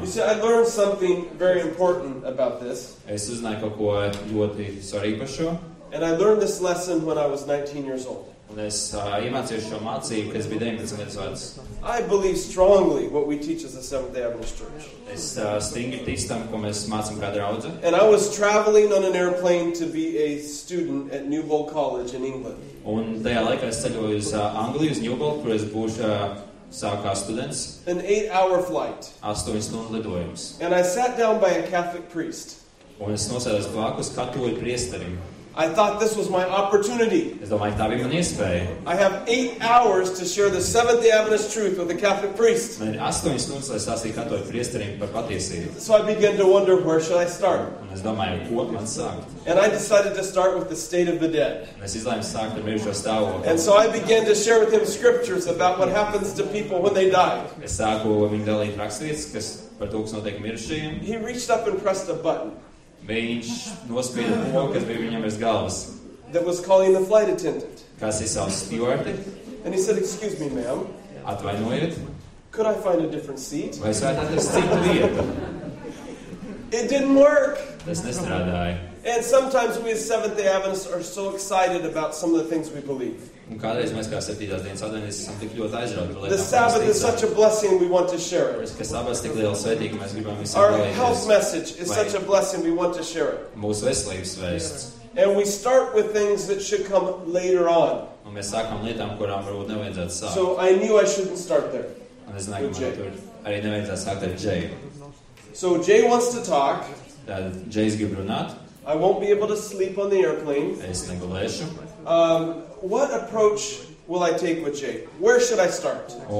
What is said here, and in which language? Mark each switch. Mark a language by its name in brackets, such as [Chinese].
[English] You see, I learned something very important about this. And I learned this lesson when I was 19 years old. I believe strongly what we teach as a Seventh-day Adventist church. And I was traveling on an airplane to be a student at New Bowl College in England. [Latvian] Un tajā laikā es ceļoju uz Angliju, uz Newbold, kur es būšu sākā students. [English] An 8-hour flight. [Latvian] 8 stundu lidojums. [English] And I sat down by a Catholic priest. [Latvian] Un es nosēdos blakus katoļu priesterim. [English] I thought this was my opportunity. [Latvian] Es domāju, tā bija mana iespēja. [English] I have 8 hours to share the Seventh-day Adventist truth with the Catholic priest. [Latvian] Man ir 8 stundas, lai sāstītu katoļu priesterim par patiesību. [English] So I began to wonder, where should I start? [Latvian] Un es domāju, ar ko man sākt? [English] And I decided to start with the state of the dead. [Latvian] Es izlēmu sākt ar mirušo stāvokli. [English] And so I began to share with him scriptures about what happens to people when they die. [Latvian] Es sāku viņu dalīt rakstvietas, kas par to, kas notiek mirušajiem. [English] He reached up and pressed a button. [Latvian] Viņš nospieda to, kas bija viņam aiz galvas. [English] That was calling the flight attendant. [Latvian] Kas ir savs stewardi? [English] And he said, excuse me, ma'am. [Latvian] Atvainojiet. [English] Could I find a different seat? [Latvian] Vai es varētu atrast citu vietu? [English] It didn't work. [Latvian] Tas nestrādāja. [English] And sometimes we as Seventh-day Adventists are so excited about some of the things we believe. [Latvian] Un kādreiz mēs kā septītās dienas adventisti esam tik ļoti aizrauti par lietām. [English] The Sabbath is such a blessing we want to share it. [Latvian] Ka sabats tik liela svētība, mēs gribam visiem dalīties. [English] Our health message is such a blessing we want to share it. [Latvian] Mūsu veselības vēsts. [English] And we start with things that should come later on. [Latvian] Un mēs sākam lietām, kurām varbūt nevajadzētu sākt. [English] So I knew I shouldn't start there. [Latvian] Un es zināju, ka man tur arī nevajadzētu sākt ar Jay. [English] So Jay wants to talk. [Latvian] Jay's grib runāt. [English] I won't be able to sleep on the airplane. [Latvian] Es negulēšu. [English] What approach will I take with Jake? Where should I start?